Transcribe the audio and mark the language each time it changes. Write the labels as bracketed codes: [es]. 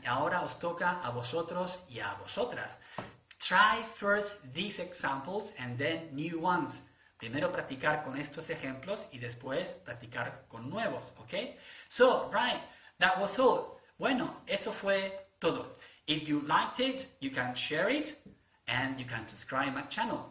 [es] Ahora os toca a vosotros y a vosotras. [en] Try first these examples and then new ones. [es] Primero practicar con estos ejemplos y después practicar con nuevos, okay? [en] So, right, that was all. [es] Bueno, eso fue todo. [en] If you liked it, you can share it and you can subscribe my channel.